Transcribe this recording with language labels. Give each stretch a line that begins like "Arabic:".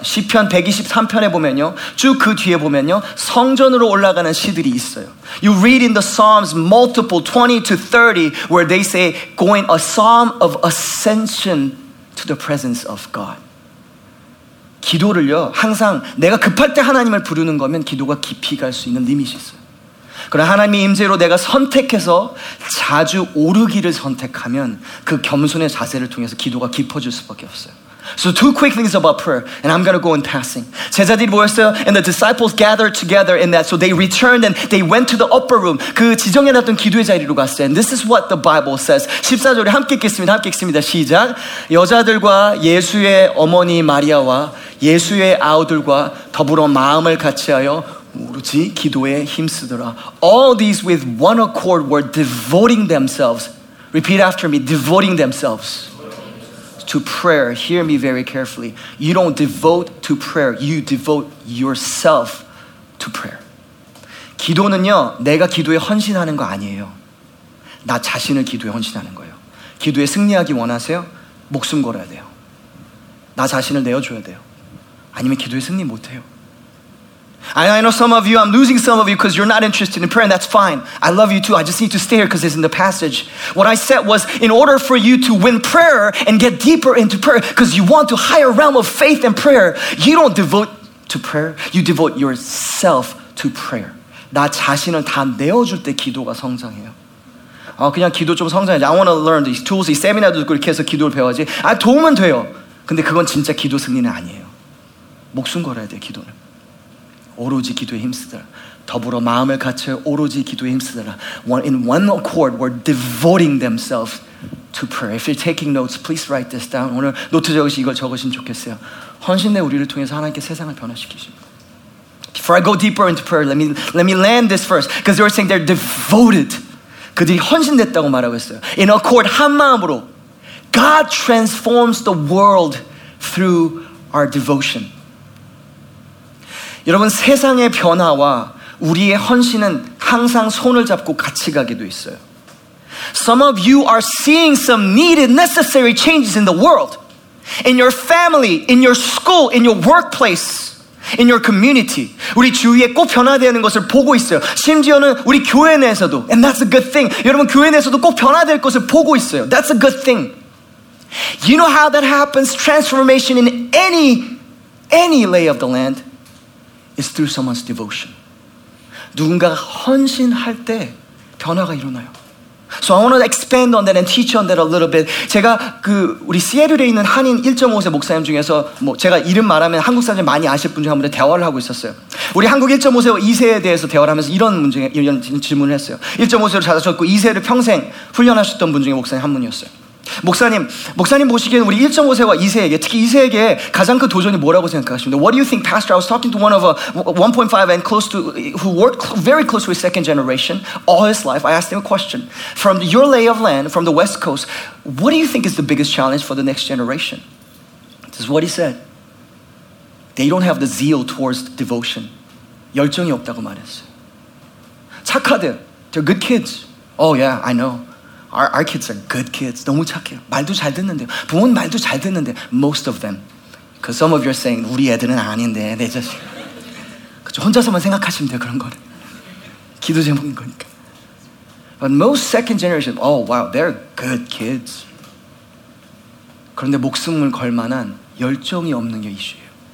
Korean: 시편 123편에 보면요. 쭉 그 뒤에 보면요. 성전으로 올라가는 시들이 있어요.
English: You read in the Psalms multiple 20 to 30 where they say going a psalm of ascension to the presence of God.
Korean: 기도를요. 항상 내가 급할 때 하나님을 부르는 거면 기도가 깊이 갈 수 있는 리밋이 있어요. 그러나 하나님의 임재로 내가 선택해서 자주 오르기를 선택하면 그 겸손의 자세를 통해서 기도가 깊어질 수밖에 없어요.
English: So two quick things about prayer, and I'm going to go in passing.
Korean: 제자들이 모였어요,
English: and the disciples gathered together in that. So they returned and they went to the upper room.
Korean: 그 지정해놨던 기도의 자리로 갔어요.
English: And this is what the Bible says.
Korean: 14절에 함께 읽겠습니다. 함께 읽습니다. 시작! 여자들과 예수의 어머니 마리아와 예수의 아우들과 더불어 마음을 같이하여 오로지 기도에 힘쓰더라.
English: All these with one accord were devoting themselves. Repeat after me, devoting themselves to prayer. Hear me very carefully. You don't devote to prayer. You devote yourself to prayer.
Korean: 기도는요, 내가 기도에 헌신하는 거 아니에요. 나 자신을 기도에 헌신하는 거예요. 기도에 승리하기 원하세요? 목숨 걸어야 돼요. 나 자신을 내어줘야 돼요. 아니면 기도에 승리 못해요.
English: I know some of you, I'm losing some of you because you're not interested in prayer, and that's fine. I love you too. I just need to stay here because it's in the passage. What I said was, in order for you to win prayer and get deeper into prayer because you want to higher realm of faith and prayer, you don't devote to prayer. You devote yourself to prayer.
Korean: 나 자신을 다 내어줄 때 기도가 성장해요. 어, 그냥 기도 좀 성장해.
English: I want to learn these tools.
Korean: 이 세미나도 듣고 이렇게 해서 기도를 배워야지. 아, 도움은 돼요. 근데 그건 진짜 기도 승리는 아니에요. 목숨 걸어야 돼, 기도는. 오로지 기도에 힘쓰더라. 더불어 마음을 갖춰 오로지 기도에 힘쓰더라.
English: In one accord, we're devoting themselves to prayer. If you're taking notes, please write this down.
Korean: 오늘 노트 적으시, 이걸 적으시면 좋겠어요. 헌신된 우리를 통해서 하나님께 세상을 변화시키십니다.
English: Before I go deeper into prayer, let me land this first. Because they were saying they're devoted.
Korean: 그들이 헌신됐다고 말하고 있어요.
English: In accord,
Korean: 한 마음으로.
English: God transforms the world through our devotion.
Korean: 여러분, 세상의 변화와 우리의 헌신은 항상 손을 잡고 같이 가기도 있어요.
English: Some of you are seeing some needed, necessary changes in the world, in your family, in your school, in your workplace, in your community.
Korean: 우리 주위에 꼭 변화되는 것을 보고 있어요. 심지어는 우리 교회 내에서도.
English: And that's a good thing.
Korean: 여러분, 교회 내에서도 꼭 변화될 것을 보고 있어요.
English: That's a good thing. You know how that happens? Transformation in any lay of the land is through someone's devotion.
Korean: 누군가가 헌신할 때 변화가 일어나요.
English: So I want to expand on that and teach on that a little bit.
Korean: 제가 그 우리 시애틀에 있는 한인 1.5세 목사님 중에서 뭐 제가 이름 말하면 한국 사람들 많이 아실 분 중 한 분이 대화를 하고 있었어요. 우리 한국 1.5세와 2세에 대해서 대화를 하면서 이런 질문을 했어요. 1.5세로 자라셨고 2세를 평생 훈련하셨던 분 중에 목사님 한 분이었어요. 목사님 보시기에는 우리 1.5세와 2세에게 특히 2세에게 가장 큰 도전이 뭐라고 생각하십니까?
English: What do you think, Pastor? I was talking to one of a 1.5 and close to who worked very close with second generation all his life. I asked him a question. From your lay of land, from the West Coast, what do you think is the biggest challenge for the next generation? This is what he said. They don't have the zeal towards devotion.
Korean: 열정이 없다고 말했어요. 착하대.
English: They're good kids. Oh yeah, I know. Our kids are good kids.
Korean: 너무 착해요. 말도 잘 듣는데요. 부모님 말도 잘 듣는데.
English: Most of them. Because some of you are saying,
Korean: 우리 애들은 아닌데, 내 자식. 그렇죠? 혼자서만 생각하시면 돼요, 그런 거를. 기도 제목인 거니까.
English: But most second generation, oh wow, they're good kids.
Korean: 그런데 목숨을 걸 만한 열정이 없는 게 이슈예요.